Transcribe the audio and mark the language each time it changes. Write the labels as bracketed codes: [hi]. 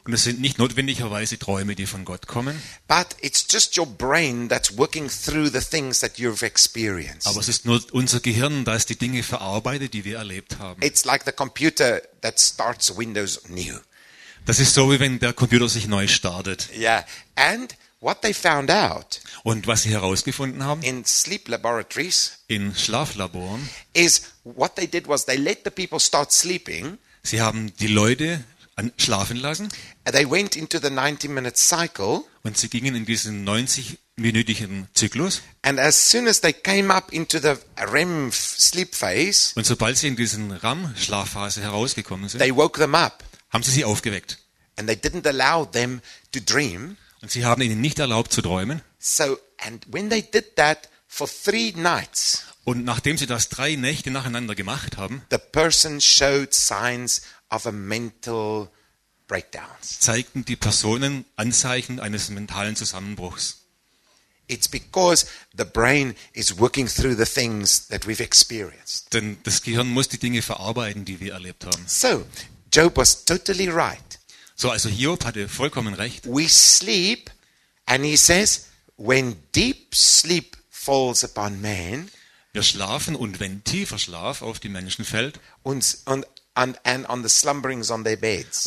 [de] Und es sind nicht notwendigerweise Träume, die von Gott kommen. [en] But it's just your brain that's working through the things that you've experienced. [de] Aber es ist nur unser Gehirn, das die Dinge verarbeitet, die wir erlebt haben. [en] It's like the computer that starts Windows new. [de] Das ist so, wie wenn der Computer sich neu startet. [en] Yeah, and what they found out. [de] Und was sie herausgefunden haben. [en] In sleep laboratories. [de] In Schlaflaboren. [en] Is what they did was they let the people start sleeping. [de] Sie haben die Leute schlafen lassen. [en] They went into the 90-minute cycle. [de] Und sie gingen in diesen 90-minütigen Zyklus. [en] And as soon as they came up into the REM sleep phase. [de] Und sobald sie in diesen REM-Schlafphase herausgekommen sind. [en] They woke them up. [de] Haben sie aufgeweckt. [en] And they didn't allow them to dream. [de] Und sie haben ihnen nicht erlaubt zu träumen. [en] So and when they did that for three nights. [de] Und nachdem sie das drei Nächte nacheinander gemacht haben, [en] the person showed signs of a mental breakdown. [de] Zeigten die Personen Anzeichen eines mentalen Zusammenbruchs. [en] It's because the brain is working through the things that we've experienced. [de] Denn das Gehirn muss die Dinge verarbeiten, die wir erlebt haben. [en] So, Job was totally right. [de] So, also Hiob hatte vollkommen recht. [en] We sleep, and he says, when deep sleep falls upon man. [de] Wir schlafen und wenn tiefer Schlaf auf die Menschen fällt [en] und on the slumberings on their beds.